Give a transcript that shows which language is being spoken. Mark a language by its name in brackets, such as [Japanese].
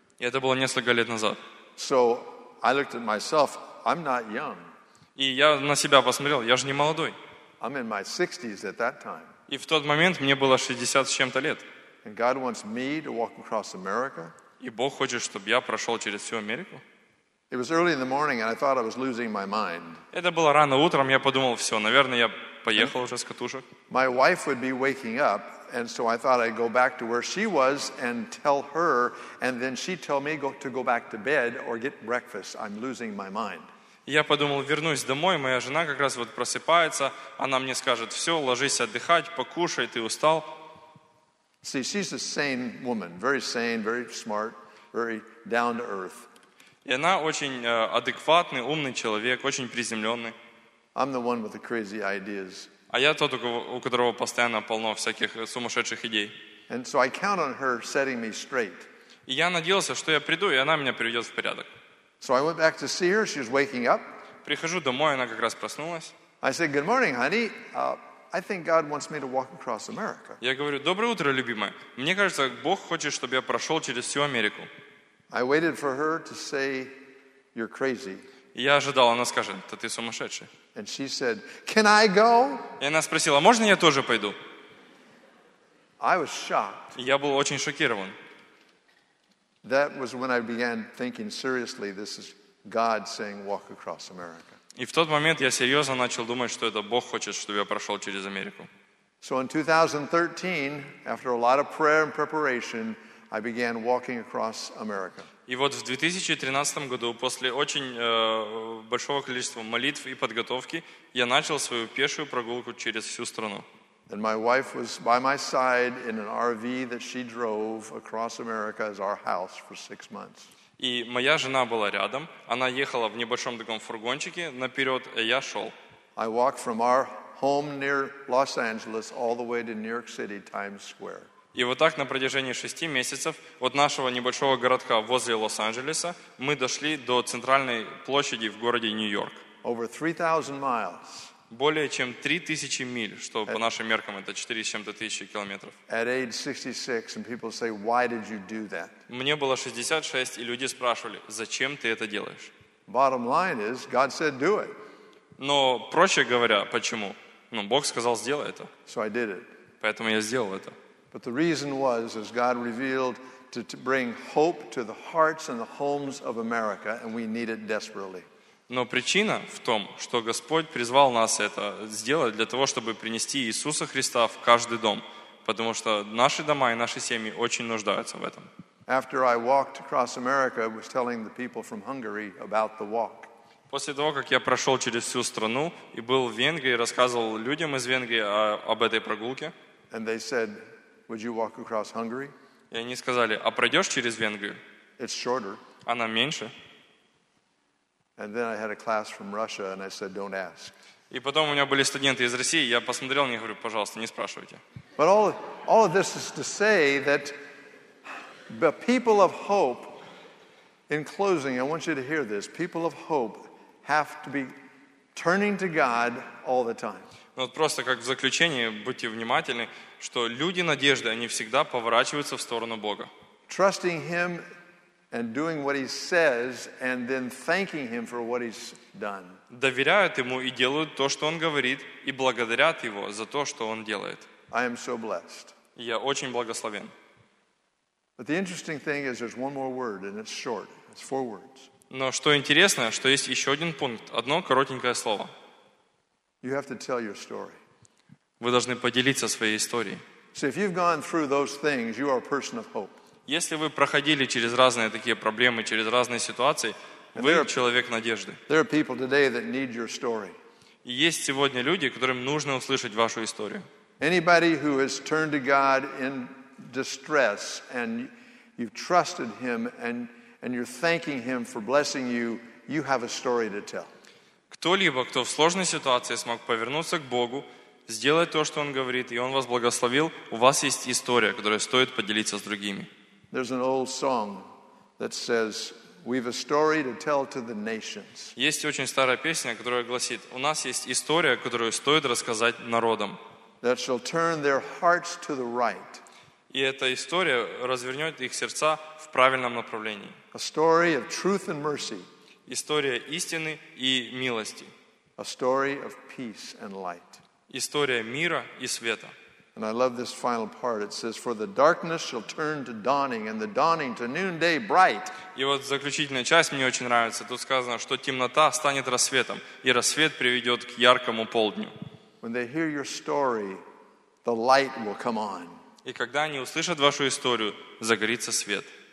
[Russian] И это было несколько лет назад. [English] So I looked at myself. I'm not young. [Russian] И я на себя посмотрел, я же не молодой. [English] I'm in my 60s at that time. [Russian] И в тот момент мне было 60 с чем-то лет. [English] And God wants me to walk across America. [Russian] И Бог хочет, чтобы я прошел через всю Америку. [English] It was early in the morning, and I thought I was losing my mind. [Russian] Это было рано утром. Я подумал, все, наверное, я поехал уже с катушек. [English] My wife would be waking up, and so I thought I'd go back to where she was and tell her, and then she'd tell me to go back to bed or get breakfast. I'm losing my mind. [Russian] Я подумал, вернусь домой. Моя жена как раз вот просыпается. Она мне скажет, все, ложись отдыхать, покушай, ты устал. [English] See, she's a sane woman, very sane, very smart, very down to earth. [Russian] И она очень адекватный, умный человек, очень приземленный. [English] I'm the one with the crazy ideas. [Russian] А я тот, у которого постоянно полно всяких сумасшедших идей. [English] And so I count on her setting me straight. [Russian] И я надеялся, что я приду, и она меня приведет в порядок. [English] So I went back to see her. She was waking up. [Russian] Прихожу домой, она как раз проснулась. [English] I said, good morning, honey. I think God wants me to walk across America. [Russian] Я говорю, доброе утро, любимая. Мне кажется, Бог хочет, чтобы я прошел через всю Америку. [English] I waited for her to say, "You're crazy." [Russian] Я ожидал, она скажет, "Да ты сумасшедший." [English] And she said, "Can I go?" [Russian] И она спросила, можно я тоже пойду? [English] I was shocked. [Russian] Я был очень шокирован. [English] That was when I began thinking seriously. This is God saying, "Walk across America." [Russian] И в тот момент я серьезно начал думать, что это Бог хочет, чтобы я прошел через Америку. [English] So in 2013, after a lot of prayer and preparation, I began walking across America. [Russian] И вот в 2013 году, после очень большого количества молитв и подготовки, я начал свою пешую прогулку через всю страну. [English] And my wife was by my side in an RV that she drove across America as our house for 6 months. [Russian] И моя жена была рядом. Она ехала в небольшом таком фургончике наперед, а я шел. [English] I walked from our home near Los Angeles all the way to New York City, Times Square. [Russian] И вот так на протяжении 6 месяцев от нашего небольшого городка возле Лос-Анджелеса мы дошли до центральной площади в городе Нью-Йорк. [English] Over 3,000 miles. [Russian] Более чем 3000 миль, что по нашим меркам это 4 с чем-то тысячи километров. [English] At age 66, and people say, why did you do that? [Russian] Мне было 66, и люди спрашивали, зачем ты это делаешь? [English] Bottom line is, God said, do it. [Russian] Но проще говоря, почему? Ну, Бог сказал, сделай это. [English] So I did it. [Russian] Поэтому я сделал это. [English] But the reason was, as God revealed, to bring hope to the hearts and the homes of America, and we need it desperately. [Russian] Но причина в том, что Господь призвал нас это сделать для того, чтобы принести Иисуса Христа в каждый дом, потому что наши дома и наши семьи очень нуждаются в этом. [English] After I walked across America, I was telling the people from Hungary about the walk. [Russian] После того, как я прошел через всю страну и был в Венгрии, рассказывал людям из Венгрии об этой прогулке. [English] And they said, Would you walk across Hungary? [Russian] И они сказали, а пройдешь через Венгрию? [English] It's shorter. [Russian] Она меньше. [English] And then I had a class from Russia, and I said, don't ask. [Russian] И потом у меня были студенты из России, я посмотрел на них и говорю, пожалуйста, не спрашивайте. [English] But all of this is to say that the people of hope, in closing, I want you to hear this, people of hope have to be turning to God all the time. [Russian] Ну вот просто как в заключение, будьте внимательны, что люди надежды, они всегда поворачиваются в сторону Бога. [English] Trusting him and doing what he says and then thanking him for what he's done. [Russian] Доверяют ему и делают то, что он говорит, и благодарят его за то, что он делает. [English] I am so blessed. [Russian] Я очень благословен. [English] But the interesting thing is there's one more word and it's short. It's 4 words. [Russian] Но что интересно, что есть еще один пункт, одно коротенькое слово. [English] You have to tell your story. [Russian] Вы должны поделиться своей историей. [English] So if you've gone through those things, you are a person of hope. [Russian] Если вы проходили через разные такие проблемы, через разные ситуации, Вы человек надежды. [English] There are people today that need your story. [Russian] Есть сегодня люди, которым нужно услышать вашу историю. [English] Anybody who has turned to God in distress and you've trusted Him and you're thanking Him for blessing you, you have a story to tell. [Russian] Кто-либо, кто в сложной ситуации смог повернуться к Богу, сделать то, что Он говорит, и Он вас благословил, у вас есть история, которую стоит поделиться с другими. [English] There's an old song that says, "We've a story to tell to the nations." [Russian] Есть очень старая песня, которая гласит: "У нас есть история, которую стоит рассказать народам." [English] That shall turn their hearts to the right. [Russian] И эта история развернет их сердца в правильном направлении. [English] A story of truth and mercy. [Russian] История истины и милости. [English] A story of peace and light. [Russian] История мира и света. [English] And I love this final part. It says, "For the darkness shall turn to dawning, and the dawning to noonday bright." [Russian] И вот заключительная часть мне очень нравится. Тут сказано, что темнота станет рассветом, и рассвет приведет к яркому полдню. [English] When they hear your story, the light will come on. [Russian] И когда они услышат вашу историю, загорится свет.